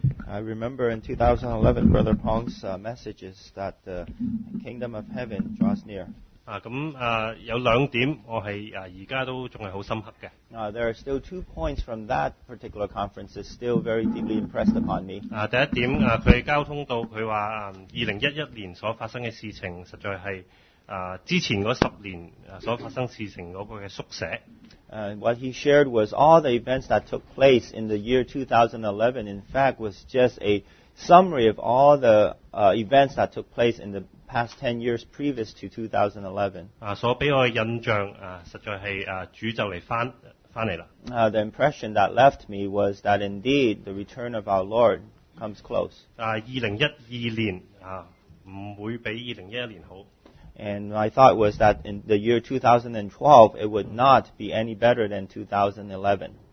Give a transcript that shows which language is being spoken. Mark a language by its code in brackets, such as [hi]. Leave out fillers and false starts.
[en] I remember in 2011 Brother Pong's messages that the kingdom of heaven draws near. [yue] 有兩點我係而家都仲係好深刻嘅。 [en] There are still two points from that particular conference that still very deeply impressed upon me. [yue] 第一點，佢交通道佢話2011年所發生嘅事情實在係。之前嗰10年所發生事情嗰個嘅縮寫。 [en] What he shared was all the events that took place in the year 2011, in fact, was just a summary of all the events that took place in the past 10 years previous to 2011. [yue] 所俾我嘅印象實在係主就嚟翻嚟啦。 [en] The impression that left me was that indeed the return of our Lord comes close. [yue] 2012年唔會比2011年好。 [en] And my thought was that in the year 2012, it would not be any better than 2011.